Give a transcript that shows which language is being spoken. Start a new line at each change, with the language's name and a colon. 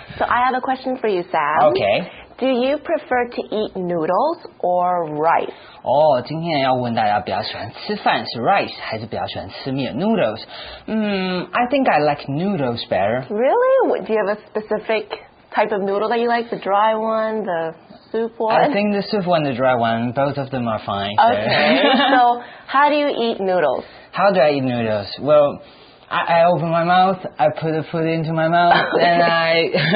English: So I have a question for you, Sam. Okay. Do you prefer to eat noodles or rice?
Chinese: 今天要问大家比较喜欢吃饭是 rice 还是比较喜欢吃面 noodles?
English: I think I like noodles better. Really? Do you have a specific type of noodle that you like? The dry one, the soup one? I think the soup one, the dry one, both of them are fine. Okay, so how do you eat noodles? How do I eat noodles? Well, I open my mouth, I put the food into my mouth, and I...